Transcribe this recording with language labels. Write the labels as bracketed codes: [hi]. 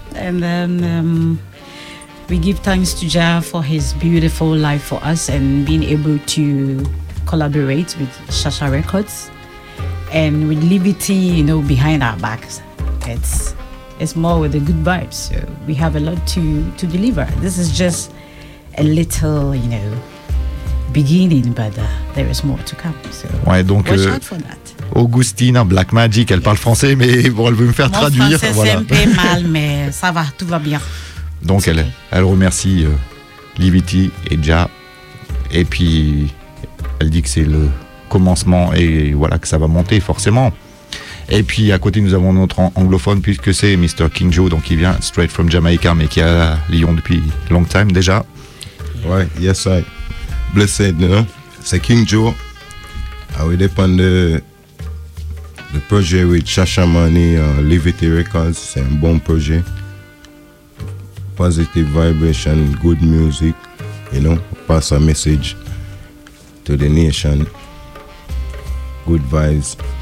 [en] And then we give thanks to Jah for his beautiful life for us and being able to collaborate with Chacha Records and with Liberty, you know, behind our backs. It's more with the good vibes. So we have a lot to deliver. This is just a little, you know, beginning, but there is more to come. So [fr] ouais, donc, [en] watch out for that. [fr] Augustine, Black Magic, elle parle français, mais bon, elle veut me faire Mon traduire. Mon français, voilà. C'est un peu mal, mais ça va, tout va bien. Donc elle remercie Liberty et Ja. Et puis, elle dit que c'est le commencement et voilà, que ça va monter forcément. Et puis à côté, nous avons notre anglophone, puisque c'est Mr. King Joe, donc il vient [en] straight from Jamaica, [fr] mais qui est à Lyon depuis [en] long time [fr] déjà. [en] Ouais, yes, I. Blessed, no? [fr] C'est King Joe. [en] I will depend on the project with Chacha Money, Liberty Records. [fr] C'est un bon projet. [en] Positive vibration, good music, you know, pass a message to the nation. Good vibes.